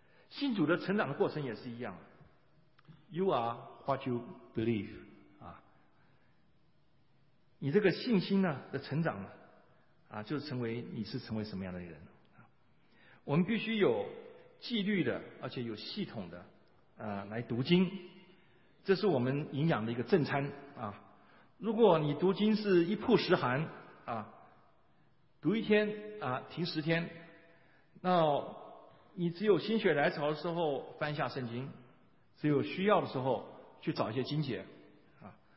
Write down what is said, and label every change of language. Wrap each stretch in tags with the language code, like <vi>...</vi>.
<zh>信主的成长的过程也是一样。</zh> <en>You are what you believe.</en> <zh>啊，你这个信心呢的成长呢，啊，就是成为你是成为什么样的人。我们必须有纪律的，而且有系统的，来读经。这是我们营养的一个正餐啊。如果你读经是一曝十寒啊，读一天啊，停十天，那你只有心血来潮的时候翻下圣经，只有需要的时候去找一些经节啊。</zh>